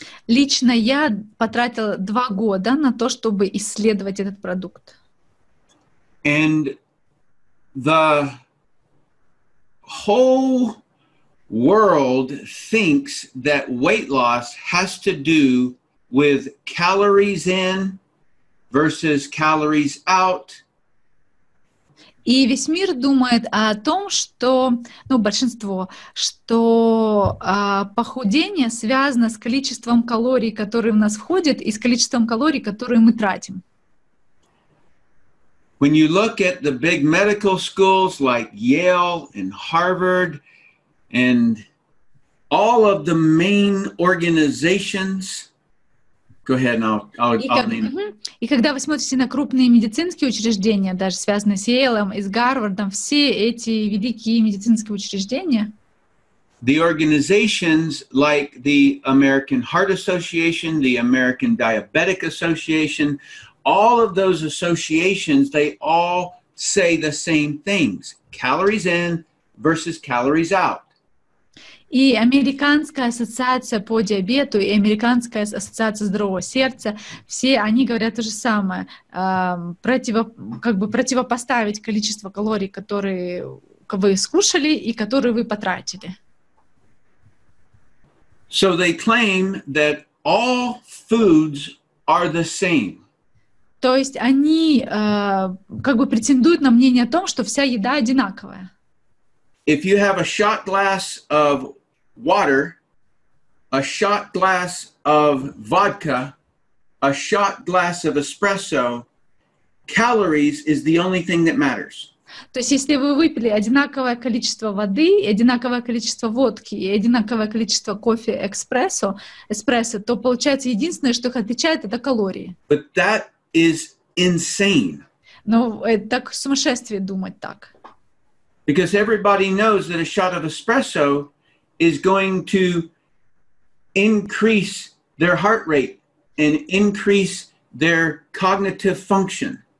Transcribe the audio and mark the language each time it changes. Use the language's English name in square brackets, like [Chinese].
[Russian] Лично я потратила 2 года на то, чтобы исследовать этот продукт. [English] And the whole world thinks that weight loss has to do with calories in versus calories out. [Russian] И весь мир думает о том, что, ну, большинство, что похудение связано с количеством калорий, которые в нас входят, и с количеством калорий, которые мы тратим. [English] When you look at the big medical schools like Yale and Harvard and all of the main organizations, go ahead and I'll name it. [Russian] И когда вы смотрите на крупные медицинские учреждения, даже связанные с Йейлом и с Гарвардом, все эти великие медицинские учреждения, [English] the organizations like the American Heart Association, the American Diabetic Association, all of those associations, they all say the same things. Calories in versus calories out. [Russian] И Американская ассоциация по диабету и Американская ассоциация здорового сердца, все они говорят то же самое. Противопоставить количество калорий, которые вы скушали и которые вы потратили. [English] So they claim that all foods are the same. [Russian] То есть они претендуют на мнение о том, что вся еда одинаковая. [English] If you have a shot glass of water, a shot glass of vodka, a shot glass of espresso, calories is the only thing that matters. [Russian] То есть если вы выпили одинаковое количество воды, одинаковое количество водки и одинаковое количество кофе эспрессо, то получается единственное, что их отличает, это калории. [English] But that is insane. [Russian] Но это так сумасшествие думать так. [English] Because everybody knows that a shot of espresso is going to increase their heart rate and increase their cognitive function.